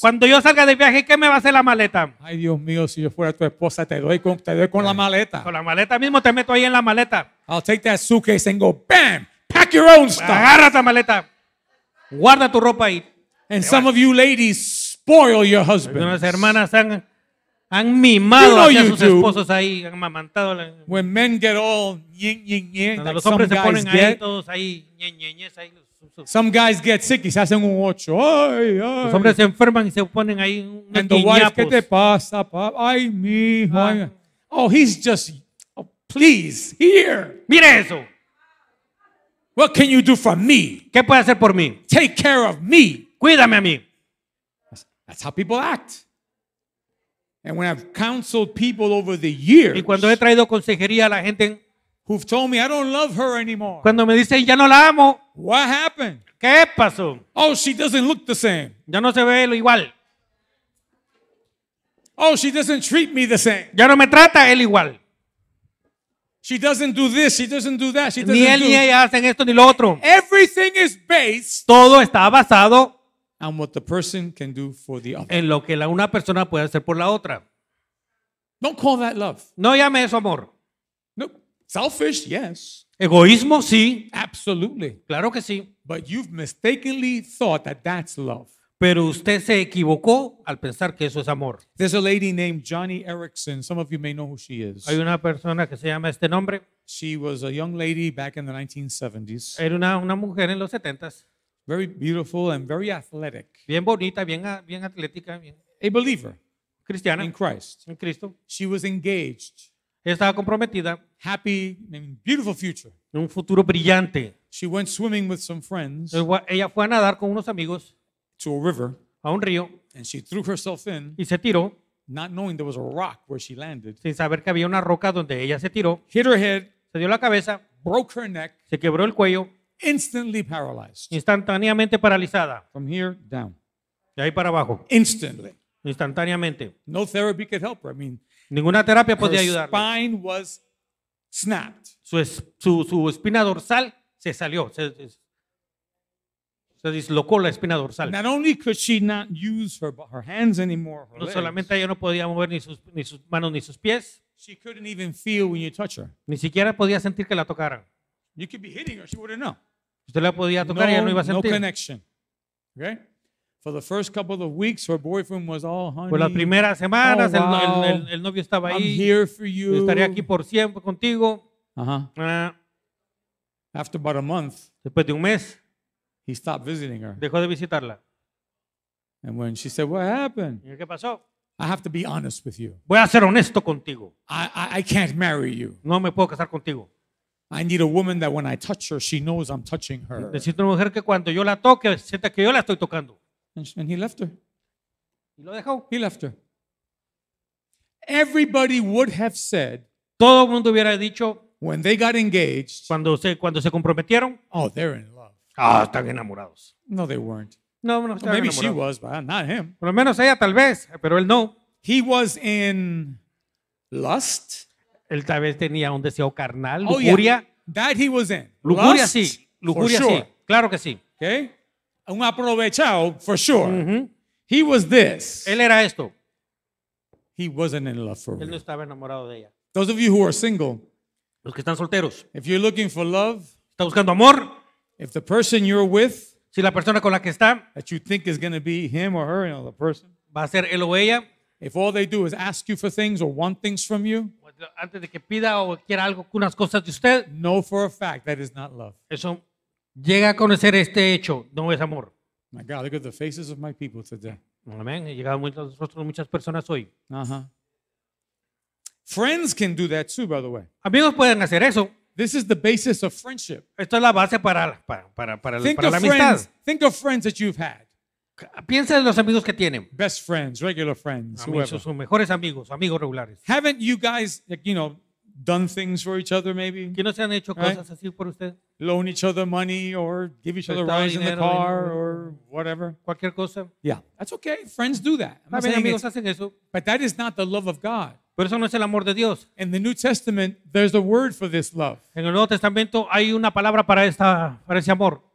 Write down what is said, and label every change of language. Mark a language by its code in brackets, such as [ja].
[es] Cuando yo salga de viaje, ¿qué me va a hacer la maleta? Ay, Dios mío, si yo fuera tu esposa, te doy con la maleta. Con la maleta mismo te meto ahí en la maleta. [en] I'll take that suitcase and go, bam, pack your own stuff. [es] Agarra esa maleta. Guarda tu ropa ahí. [en] And some of you ladies spoil your husbands. [es] Unas hermanas han mimado a sus esposos ahí, han amamantado. [en] When men get all ñeñeñe, like [es] los hombres se ponen ahí todos ahí ñeñeñe, ahí. [en] Some guys get sick [es] y se hacen un ocho. Ay, ay. Los hombres se enferman y se ponen ahí un guiñapos. [en] And the wife, [es] ¿qué te pasa, papá? Ay, mijo. [en] Oh, he's just, oh, please, here. [es] Mira eso. [en] What can you do for me? [es] ¿Qué puede hacer por mí? [en] Take care of me. [es] Cuídame a mí. [en] That's how people act. And when I've counseled people over the years. [es] Y cuando he traído consejería a la gente. [en] Who've told me I don't love her anymore. [es] Cuando me dicen ya no la amo. [en] What happened? [es] ¿Qué pasó? [en] Oh, she doesn't look the same. [es] Ya no se ve igual. [en] Oh, she doesn't treat me the same. [es] Ya no me trata él igual. [en] She doesn't do this, she doesn't do that, she doesn't do. [es] Ni él ni ella hacen esto ni lo otro. [en] Everything is based. [es] Todo está basado [en] on what the person can do for the other. [es] En lo que la una persona puede hacer por la otra. [en] Don't call that love. [es] No llame eso amor. [en] Selfish, yes. [es] Egoísmo, sí. [en] Absolutely. [es] Claro que sí. [en] But you've mistakenly thought that that's love. [es] Pero usted se equivocó al pensar que eso es amor. [en] There's a lady named Johnny Erickson. Some of you may know who she is. [es] Hay una persona que se llama este nombre. [en] She was a young lady back in the 1970s. [es] Era una mujer en los 70s. [en] Very beautiful and very athletic. [es] Bien bonita, bien atlética. Bien. [en] A believer. [es] Cristiana. [en] In Christ. [es] En Cristo. [en] She was engaged. [es] Estaba comprometida. [en] Happy, beautiful future. [es] Un futuro brillante. [en] She went swimming with some friends. [es] Ella fue a nadar con unos amigos. [en] To a river. [es] A un río. [en] And she threw herself in. [es] Y se tiró. [en] Not knowing there was a rock where she landed. [es] Sin saber que había una roca donde ella se tiró. [en] Hit her head. [es] Se dio la cabeza. [en] Broke her neck. [es] Se quebró el cuello. [en] Instantly paralyzed. [es] Instantáneamente paralizada. [en] From here down. [es] De ahí para abajo. [en] Instantly. [es] Instantáneamente. [en] No therapy could help her. I mean. [es] Ninguna terapia podía ayudarle. [en] Her spine was snapped. [es] Su espina dorsal se salió. Se dislocó la espina dorsal. [en] Not only could she not use her hands anymore, her [es] no solamente ella no podía mover ni sus manos ni sus pies. [en] She couldn't even feel when you touch her. [es] Ni siquiera podía sentir que la tocaran. [en] You could be hitting her, she wouldn't know. [es] Usted la podía tocar, ya no iba a sentir. [en] No connection. Okay? For the first couple of weeks, her boyfriend was all honey. [es] Por las primeras semanas, oh, wow. el novio estaba ahí. [en] I'm here for you. [es] Estaré aquí por siempre contigo. [en] After about a month, [es] después de un mes, [en] he stopped visiting her. [es] Dejó de visitarla. [en] And when she said, "What happened?" [es] ¿Y qué pasó? [en] I have to be honest with you. [es] Voy a ser honesto contigo. [en] I can't marry you. [es] No me puedo casar contigo. [en] I need a woman that when I touch her, she knows I'm touching her. [es] Necesito una mujer que cuando yo la toque, sienta que yo la estoy tocando. [en] And he left her. [es] ¿Y lo dejó? [en] He left her. Everybody would have said. [es] Todo el mundo hubiera dicho. [en] When they got engaged. [es] Cuando se comprometieron. [en] Oh, they're in love. [es] Ah, están enamorados. [en] No, they weren't. No, no, well, maybe she was, but not him. [es] Por lo menos ella tal vez, pero él no. [en] He was in lust. [es] Él tal vez tenía un deseo carnal, lujuria. [en] Oh, yeah. That he was in. [es] Lujuria [en] lust, [es] sí, lujuria [en] sure. [es] Sí, claro que sí. [en] Okay. [es] Un aprovechado, [en] for sure. Mm-hmm. He was this. [es] Él era esto. [en] He wasn't in love for [es] real. Él no estaba enamorado de ella. [en] Those of you who are single. [es] Los que están solteros. [en] If you're looking for love. [es] Está buscando amor. [en] If the person you're with. [es] Si la persona con la que está. [en] That you think is going to be him or her, you know, the person. [es] Va a ser él o ella. [en] If all they do is ask you for things or want things from you. [es] Antes de que pida o quiera algo, unas cosas de usted. [en] Know for a fact that is not love. [es] Eso llega a conocer este hecho, no es amor. [en] My God, look at the faces of my people today. [es] Amén. He llegado muchos rostros de muchas personas hoy. Uh-huh. [en] Friends can do that too, by the way. [es] Amigos pueden hacer eso. [en] This is the basis of friendship. [es] Esto es la base para la amistad. [en] Friends, think of friends that you've had. [es] Piensa en los amigos que tienen. [en] Best friends, regular friends, [es] amigos, [en] whoever. [es] Sus mejores amigos, amigos regulares. [en] Haven't you guys, like, you know, done things for each other, maybe? [es] ¿Que no se han hecho cosas [en] right? [es] Así por usted? [en] Loan each other money or give each other rides in the car or whatever. [es] Cualquier cosa. [en] Yeah, that's okay. Friends do that. [es] También amigos hacen eso. [en] But that is not the love of God. [es] Pero eso no es el amor de Dios. [en] In the New Testament, there's a word for this love. [es] En el Nuevo Testamento hay una palabra para ese amor.